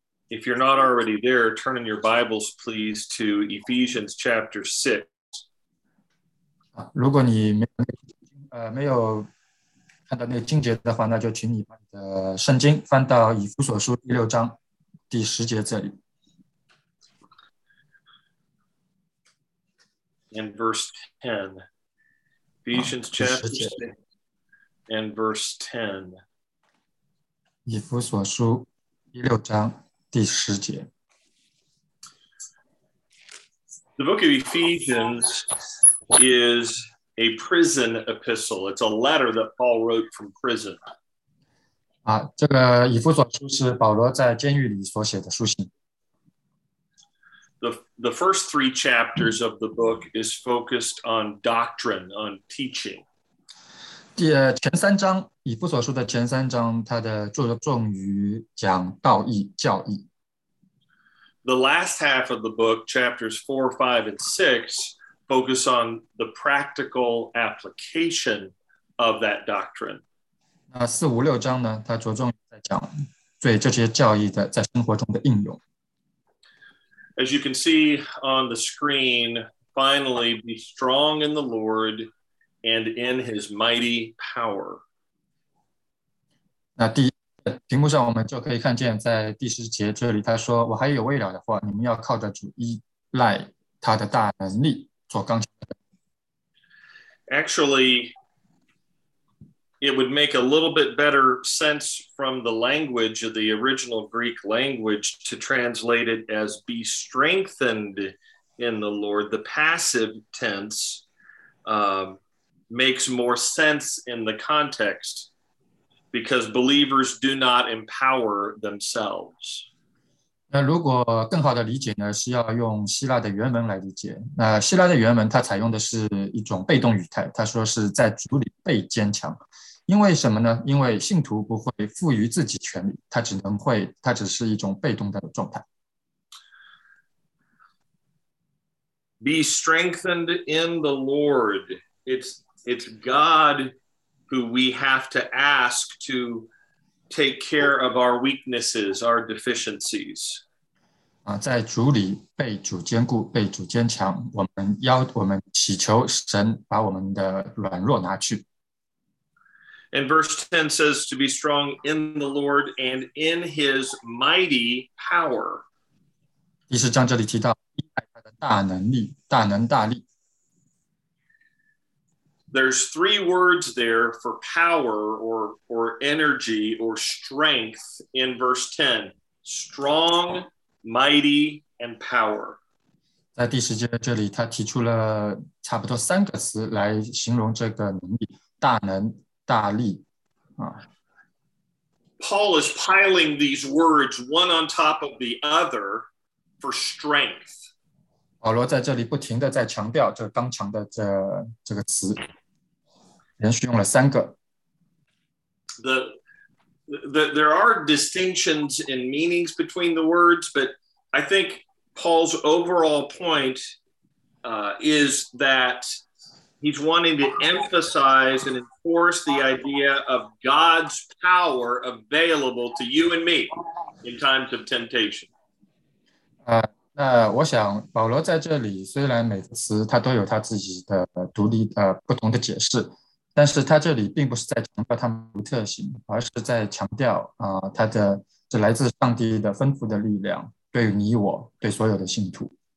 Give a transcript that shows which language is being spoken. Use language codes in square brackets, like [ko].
[en] If you're not already there, turn in your Bibles, please, to Ephesians chapter 6. [zh] 如果你没有看到那个经节的话，那就请你把你的圣经翻到以弗所书第6章第10节这里。 [en] In verse 10, Ephesians chapter 6, and verse 10. [zh] 以弗所书第6章第10节. [en] The book of Ephesians is a prison epistle. It's a letter that Paul wrote from prison. [zh] 啊，这个以弗所书是保罗在监狱里所写的书信。 [en] The first three chapters of the book is focused on doctrine, on teaching. [zh] 前三章，以弗所书的前三章，它的着重于讲道义、教义。 [en] The last half of the book, chapters 4, 5, and 6, focus on the practical application of that doctrine. [zh] 那四五六章呢，它着重在讲对这些教义的在生活中的应用。 [en] As you can see on the screen, finally, be strong in the Lord and in his mighty power. [zh] 那第屏幕上我们就可以看见在第十节这里他说我还有未了的话你们要靠着主依赖他的大能力做刚强的。 [en] Actually, it would make a little bit better sense from the language of the original Greek language to translate it as be strengthened in the Lord. The passive tense makes more sense in the context. Because believers do not empower themselves. [zh] 那如果更好的理解呢，是要用希腊的原文来理解。那希腊的原文它采用的是一种被动语态，它说是在主里被坚强。因为什么呢？因为信徒不会赋予自己权利，它只是一种被动的状态。 [en] Be strengthened in the Lord. It's God. Who we have to ask to take care of our weaknesses, our deficiencies. [zh] 在主里被主坚固，被主坚强。我们祈求神把我们的软弱拿去。 [en] And verse 10 says to be strong in the Lord and in his mighty power. [zh] 第十章这里提到依赖他的大能力，大能大力。 [en] There's three words there for power or energy or strength in verse 10. Strong, mighty, and power. [zh] 在第十节这里他提出了差不多三个词来形容这个能力，大能、大力。 Paul is piling these words one on top of the other for strength. 保罗在这里不停地在强调这刚强的这个词。连续用了三个。 [en] There are distinctions in meanings between the words, but I think Paul's overall point is that he's wanting to emphasize and enforce the idea of God's power available to you and me in times of temptation. [zh] 那我想保罗在这里虽然每个词他都有他自己的独立不同的解释。但是他这里并不是在强调他们的特性，而是在强调他的这来自上帝的丰富的力量，对于你我，对所有的信徒。